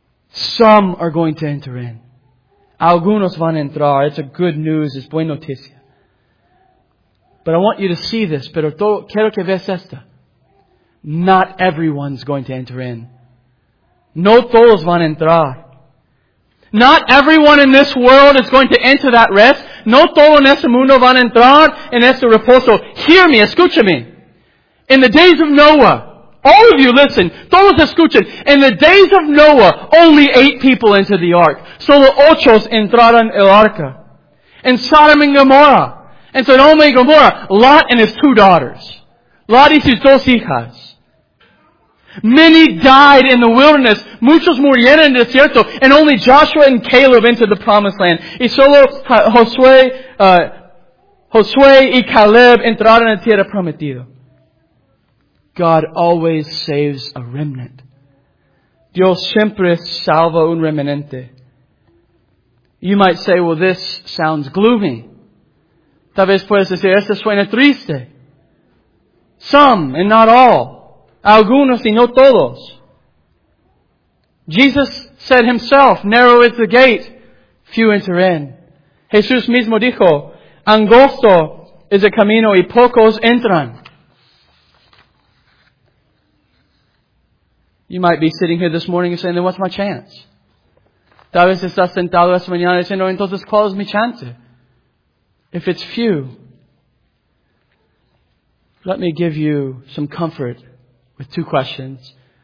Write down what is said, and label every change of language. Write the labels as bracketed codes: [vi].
[en] Some are going to enter in. [es] Algunos van a entrar. [en] It's a good news. It's [es] buena noticia. [en] But I want you to see this. [es] Pero todo, quiero que veas esta. [en] Not everyone's going to enter in. [es] No todos van a entrar. [en] Not everyone in this world is going to enter that rest. [es] No todo en ese mundo van a entrar en ese reposo. [en] Hear me, [es] escúchame. [en] In the days of Noah, all of you listen, [es] todos escuchen. [en] In the days of Noah, only 8 people entered the ark. [es] Solo 8 entraron el arca. [en] In Sodom and Gomorrah, and Sodom and Gomorrah, Lot and his 2 daughters. [es] Lot y sus 2 hijas. [en] Many died in the wilderness. [es] Muchos murieron en el desierto. [en] And only Joshua and Caleb entered the promised land. [es] Y solo Josué y Caleb entraron en la tierra prometida. [en] God always saves a remnant. [es] Dios siempre salva un remanente. [en] You might say, well, this sounds gloomy. [es] Tal vez puedes decir, esto suena triste. [en] Some and not all. [es] Algunos y no todos. [en] Jesus said himself, narrow is the gate, few enter in. [es] Jesús mismo dijo, angosto es el camino y pocos entran. [en] You might be sitting here this morning and saying, then what's my chance? [es] Tal vez estás sentado esta mañana diciendo, entonces, ¿cuál es mi chance? [en] If it's few, let me give you some comfort with two questions.